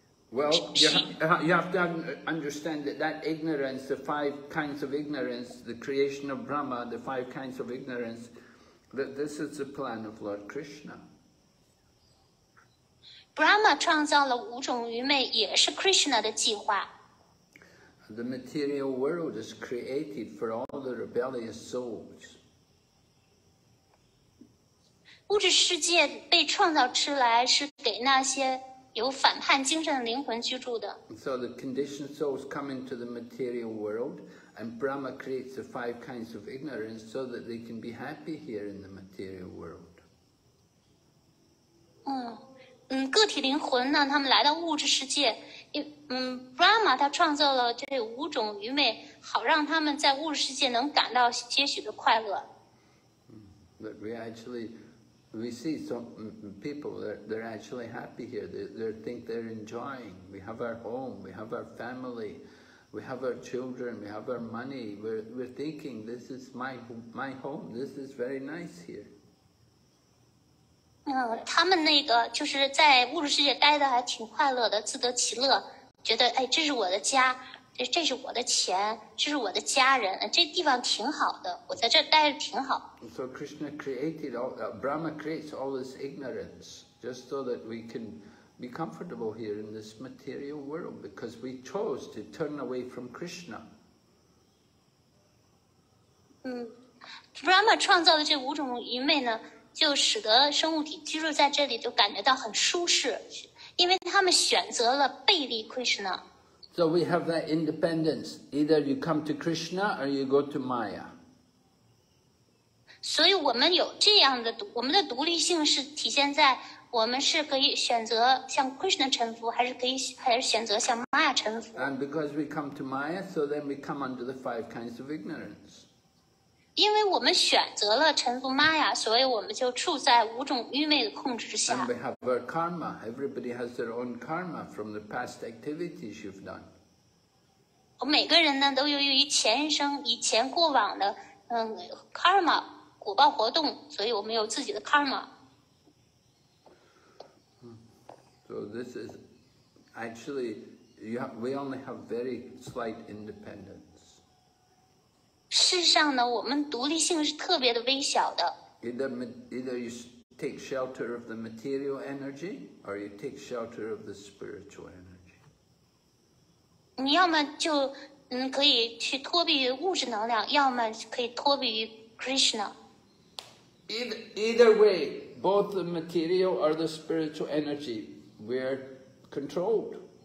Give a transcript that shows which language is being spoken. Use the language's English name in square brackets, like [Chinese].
[English] Well, you have to understand that ignorance, the five kinds of ignorance, the creation of Brahma, the five kinds of ignorance, that this is the plan of Lord Krishna. [Chinese] Brahma 创造了五种愚昧也是 Krishna 的计划。 [English] The material world is created for all the rebellious souls. [Chinese] 物质世界被创造出来是给那些有反叛精神的灵魂居住的。 [English] So the conditioned souls come into the material world, and Brahma creates the five kinds of ignorance so that they can be happy here in the material world. [Chinese] 嗯嗯，个体灵魂呢，他们来到物质世界，嗯 ，Brahma 他创造了这五种愚昧，好让他们在物质世界能感到些许的快乐。 [English] But we actually. We see some people, they're actually happy here. They think they're enjoying. We have our home, we have our family, we have our children, we have our money. We're thinking, this is my home, this is very nice here. [Chinese] 他们那个就是在物质世界待的还挺快乐的，自得其乐，觉得哎，这是我的家，这是我的钱，这是我的家人，这地方挺好的，我在这待着挺好。 [English] So Krishna created all, Brahma creates all this ignorance just so that we can be comfortable here in this material world because we chose to turn away from Krishna. [Chinese] 嗯 ，Brahma 创造的这五种愚昧呢，就使得生物体居住在这里就感觉到很舒适，因为他们选择了背离 Krishna。 [English] So we have that independence. Either you come to Krishna or you go to Maya. [Chinese] 所以我们有这样的，我们的独立性是体现在我们是可以选择向 Krishna 臣服，还是选择向 Maya 臣服。 [English] And because we come to Maya, so then we come under the five kinds of ignorance. [Chinese] 因为我们选择了臣服玛雅，所以我们就处在五种愚昧的控制之下。 [English] And we have our karma. Everybody has their own karma from the past activities you've done. [Chinese] 我每个人呢都由于前生以前过往的karma 果报活动，所以我们有自己的 karma。 [English] So this is actually we only have very slight independence. [Chinese] 事实上呢，我们独立性是特别的微小的。 [English] Either you take shelter of the material energy, or you take shelter of the spiritual energy. [Chinese] 你要么就可以去脱避于物质能量，要么可以脱避于 Krishna. [English] Either way, both the material or the spiritual energy, we're controlled.